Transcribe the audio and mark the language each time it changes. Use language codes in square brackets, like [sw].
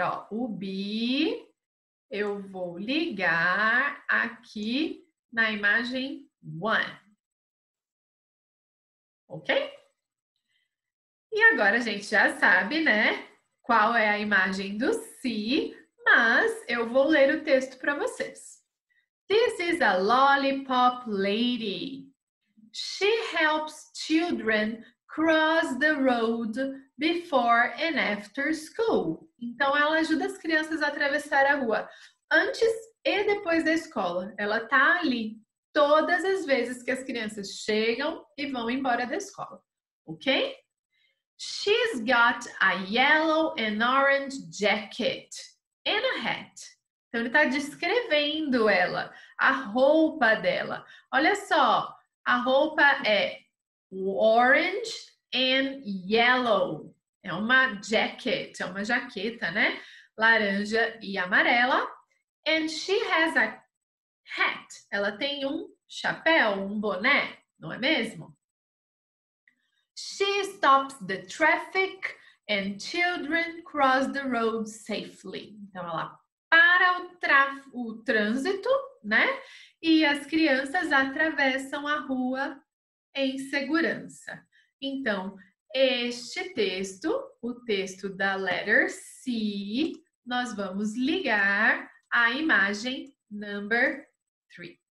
[pt] Ó, o be, eu vou ligar aqui na imagem one. Ok? E agora a gente já sabe, né? Qual é a imagem do see, mas eu vou ler o texto para vocês. [en] This is a lollipop lady. She helps children cross the road before and after school. [pt] Então, ela ajuda as crianças a atravessar a rua antes e depois da escola. Ela está ali todas as vezes que as crianças chegam e vão embora da escola. Ok? [en] She's got a yellow and orange jacket and a hat. [pt] Então, ele está descrevendo ela, a roupa dela. Olha só, a roupa é [en] orange and yellow. [pt] É uma jacket, é uma jaqueta, né? Laranja e amarela. [en] And she has a hat. [pt] Ela tem um chapéu, um boné, não é mesmo? [en] She stops the traffic and children cross the road safely. [pt] Então, ela para o trânsito, né? E as crianças atravessam a rua em segurança. Então, este texto, o texto da letter C, nós vamos ligar à imagem number 3.